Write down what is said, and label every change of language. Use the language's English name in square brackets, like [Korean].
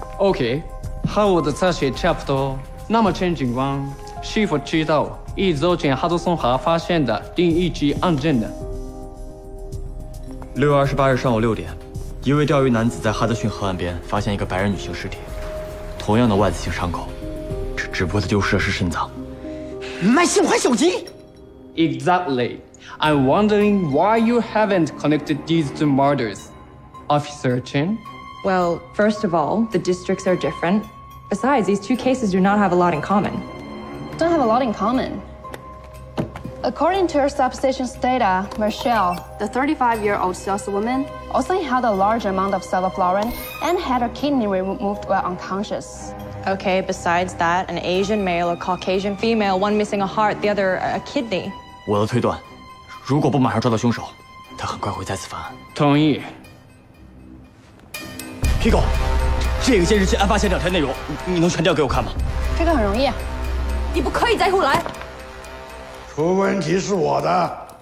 [Chinese] OK， 和我的侧写差不多。那么陈警官，是否知道一周前哈德松河发现的另一起案件呢？ 6月28日上午6点，一位钓鱼男子在哈德逊河岸边发现一个白人女性尸体。同样的Y字形伤口，只不过他丢失的是肾脏。卖心怀小吉。 [English] Exactly. I'm wondering why you haven't connected these two murders, Officer Chin. Well, first of all, the districts are different. Besides, these two cases do not have a lot in common. Don't have a lot in common. According to our substation's data, Michelle, the 35-year-old saleswoman, also had a large amount of cefaflorin and had her kidney removed while unconscious. Okay, besides that, an Asian male, a Caucasian female, one missing a heart, the other a kidney. [Chinese] 我的推断，如果不马上抓到凶手，他很快会再次犯案。同意。 Pico， 这个监视器案发现场的内容，你能传掉给我看吗？这个很容易，你不可以再胡来。出问题是我的。